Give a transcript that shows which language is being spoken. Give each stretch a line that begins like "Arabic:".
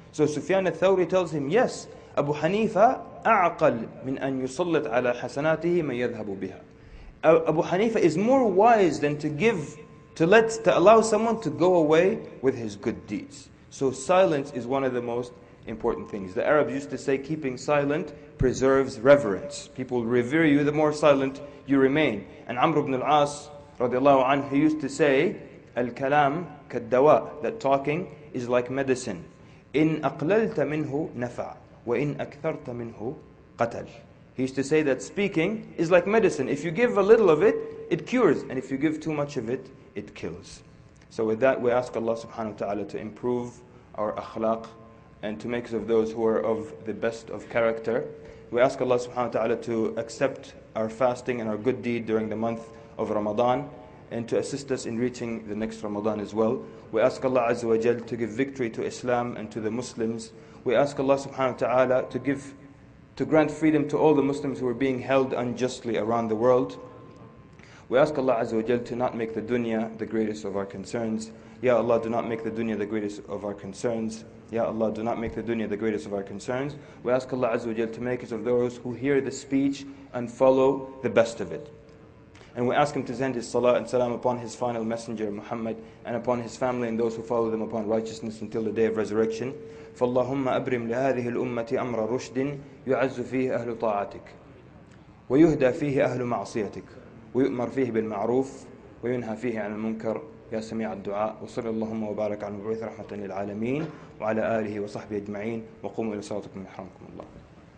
English: So Sufyan al-Thawri tells him, yes, Abu Hanifa, أعقل من أن يسلط على حسناته من يذهب بها. Abu Hanifa is more wise than to allow someone to go away with his good deeds. So silence is one of the most important things. The Arabs used to say, keeping silent preserves reverence. People revere you the more silent you remain. And Amr ibn al-As, radiallahu anhu, he used to say, الكلام كالدواء, that talking is like medicine.
Arabic: إن أقللت منه نفع وإن أكثرت منه قتل.
English: He used to say that speaking is like medicine. If you give a little of it, it cures. And if you give too much of it, it kills. So with that, we ask Allah subhanahu wa ta'ala to improve our akhlaq and to make us of those who are of the best of character. We ask Allah subhanahu wa ta'ala to accept our fasting and our good deed during the month of Ramadan and to assist us in reaching the next Ramadan as well. We ask Allah azza wa jal to give victory to Islam and to the Muslims. We ask Allah subhanahu wa ta'ala to grant freedom to all the Muslims who are being held unjustly around the world. We ask Allah Azza wa Jal to not make the dunya the greatest of our concerns. Ya Allah, do not make the dunya the greatest of our concerns. Ya Allah, do not make the dunya the greatest of our concerns. We ask Allah Azza wa Jal to make us of those who hear the speech and follow the best of it. And we ask Him to send His salah and salam upon His final messenger, Muhammad, and upon His family and those who follow them upon righteousness until the day of resurrection.
Arabic: فَاللَّهُمَّ أَبْرِمْ لِهَذِهِ الْأُمَّةِ أَمْرَ رُشْدٍ يُعَزُّ فِيهِ أَهْلُ طَاعَتِكَ وَيُهْدَى فِيهِ أَهْلُ مَعْصِيَتِكَ ويؤمر فيه بالمعروف وينهى فيه عن المنكر يا سميع الدعاء وصل اللهم وبارك على المبعوث رحمة للعالمين وعلى آله وصحبه أجمعين وقوموا إلى صلاتكم من حرمكم الله